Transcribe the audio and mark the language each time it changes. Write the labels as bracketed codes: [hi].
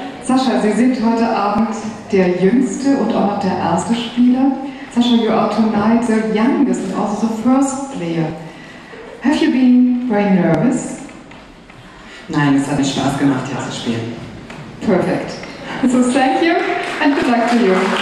[de] Sascha, Sie sind heute Abend der jüngste und auch noch der erste Spieler. [en] Sascha, you are tonight the youngest and also the first player. Have you been very nervous? [de] Nein, es hat mir Spaß gemacht, hier zu spielen. [en] Perfect. So thank you and good luck to you.